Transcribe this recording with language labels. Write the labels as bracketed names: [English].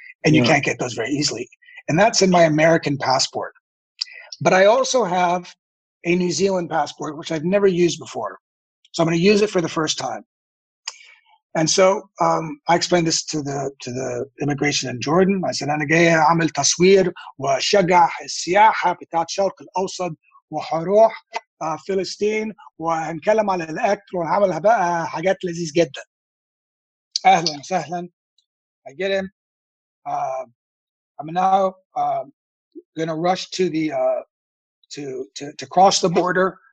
[English] And you can't get those very easily. And that's in my American passport. But I also have a New Zealand passport, which I've never used before. So I'm going to use it for the first time. And so I explained this to the immigration in Jordan. I said, [Arabic] أنا جاي أعمل تصوير وشجع السياحة بتاع الشرق الأوسط وحروح فلسطين وهنكلم على الأكل ونعملها بقى حاجات لذيذ جدا. أهلا وسهلا. [English] I get him. I'm now gonna rush to the to cross the border.